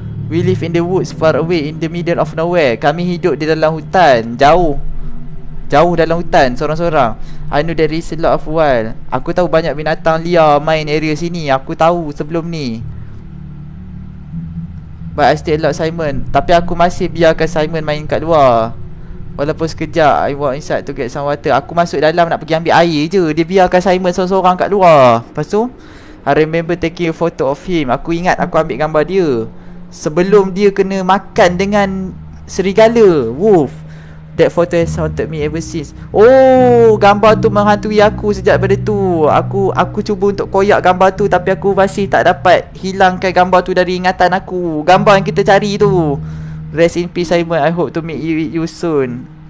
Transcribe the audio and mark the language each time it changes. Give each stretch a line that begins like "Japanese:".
English: We live in the woods far away in the middle of nowhere.
Malay: Kami hidup di dalam hutan, jauh. Jauh dalam hutan, sorang-sorang.
English: I know there is a lot of wild.
Malay: Aku tahu banyak binatang liar main area sini. Aku tahu sebelum ni.
English: But I still lock Simon.
Malay: Tapi aku masih biarkan Simon main kat luar. Walaupun sekejap
English: I walk inside to get some water.
Malay: Aku masuk dalam nak pergi ambil air je. Dia biarkan Simon seorang-seorang kat luar. Lepas tu
English: I remember taking a photo of him.
Malay: Aku ingat aku ambil gambar dia sebelum dia kena makan dengan serigala, wolf.
English: That photo has haunted me ever since.
Malay: Oh, gambar tu menghantui aku sejak pada tu. Aku cuba untuk koyak gambar tu, tapi aku masih tak dapat hilangkan gambar tu dari ingatan aku. Gambar yang kita cari tu.
English: Rest in peace Simon, I hope to meet you, soon.